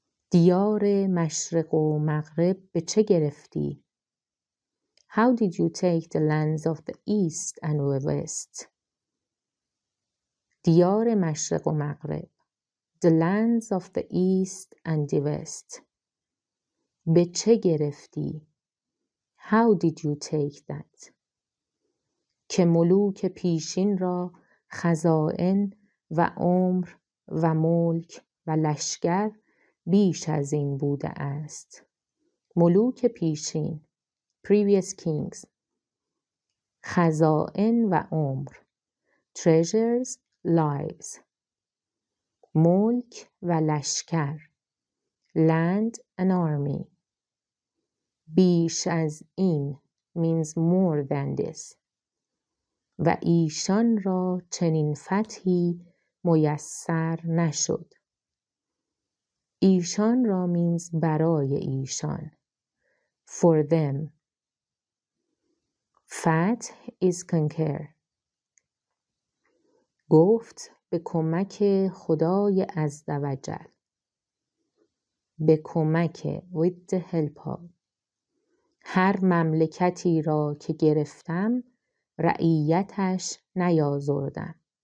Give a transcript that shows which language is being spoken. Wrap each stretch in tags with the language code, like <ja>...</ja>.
<fa>دیار مشرق و مغرب به چه گرفتی؟</fa> <en>How did you take the lands of the east and the west?</en> <fa>دیار مشرق و مغرب</fa> <en>The lands of the east and the west</en> <fa>به چه گرفتی؟</fa> <en>How did you take that?</en> <fa>که ملوک پیشین را خزائن و عمر و ملک و لشکر بیش از این بوده است. ملوک پیشین</fa> <en>previous kings</en> <fa>خزائن و عمر،</fa> <en>treasures, lives.</en> <fa>ملک و لشکر،</fa> <en>land and army.</en> <fa>بیش از این</fa> <en>means more than this.</en> <fa>و ایشان را چنین فتحی میسر نشد. ایشان را means برای ایشان.</fa> <en>For them. فتح is conquer.</en> <fa>گفت به کمک خدای عزوجل. به کمک</fa> <en>with the help of.</en> <fa>هر مملکتی را که گرفتم رعیتش نیازردم.</fa>